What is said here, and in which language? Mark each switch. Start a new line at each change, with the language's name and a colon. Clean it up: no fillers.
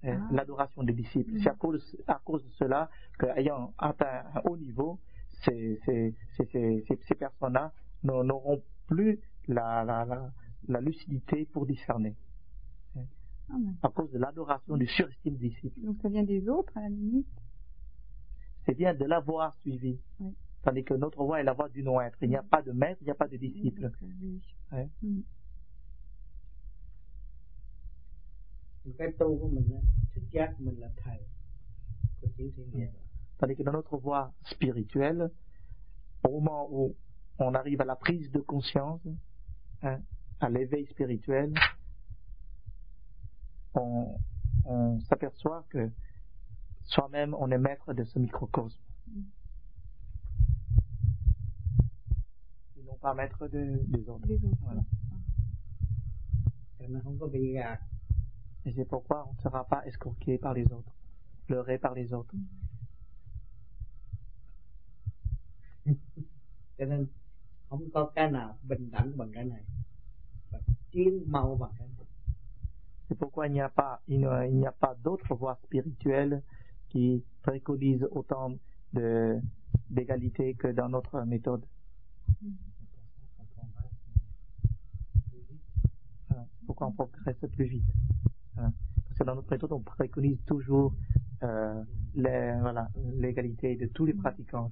French: L'adoration des disciples. C'est à cause de cela qu'ayant atteint un haut niveau, ces personnes-là n'auront plus la lucidité pour discerner. À cause de l'adoration, du surestime des disciples. Donc ça vient des autres, à la limite. C'est bien de la voie suivie. Oui. Tandis que notre voie est la voie du non-être. Il n'y a pas de maître, il n'y a pas de disciple. Oui, donc, oui.
Vietnamese: Cái tu của mình á, thức giác mình là thầy của tiểu thiên địa.
French: Tandis que dans notre voie spirituelle, au moment où on arrive à la prise de conscience, hein, à l'éveil spirituel, on s'aperçoit que soi-même on est maître de ce microcosme. Et non pas maître des autres. Des autres. Voilà. Et c'est pourquoi on ne sera pas escroqué par les autres, pleuré par les autres.
Vietnamese: Cho nên không có cái nào bình đẳng bằng cái này và tiến mau bằng cái này.
French: C'est pourquoi il n'y a pas d'autres voies spirituelles qui préconisent autant d'égalité que dans notre méthode. Pourquoi on progresse plus vite? Parce que dans notre méthode, on préconise toujours l'égalité de tous les pratiquants.